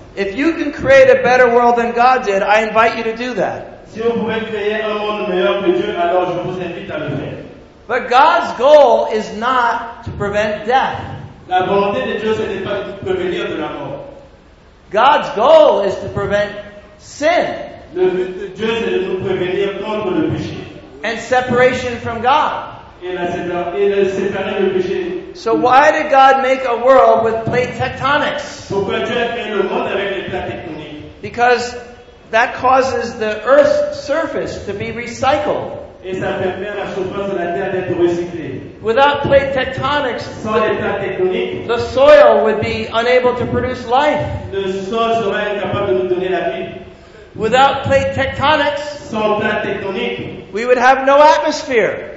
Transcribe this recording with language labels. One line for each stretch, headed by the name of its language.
English: If you can create a better world than God did, I invite you to do that.
French: Si vous pouvez créer un monde meilleur que Dieu, alors je vous invite à le faire.
English: But God's goal is not to prevent death.
French: La volonté de Dieu, ce n'est pas de prévenir de la mort.
English: God's goal is to prevent sin.
French: Le but de Dieu, c'est de nous prévenir contre le péché.
English: And separation from God.
French: Et le séparer du péché.
English: So why did God make a world with plate tectonics?
French: Pourquoi Dieu a créé le monde avec les plaques tectoniques?
English: Because that causes the earth's surface to be recycled.
French: Et ça permet à la surface de la terre d'être recyclée.
English: Without plate tectonics, the soil would be unable to produce life.
French: Le sol sera incapable de nous donner la vie.
English: Without plate tectonics,
French: sans plate tectonique,
English: we would have no atmosphere.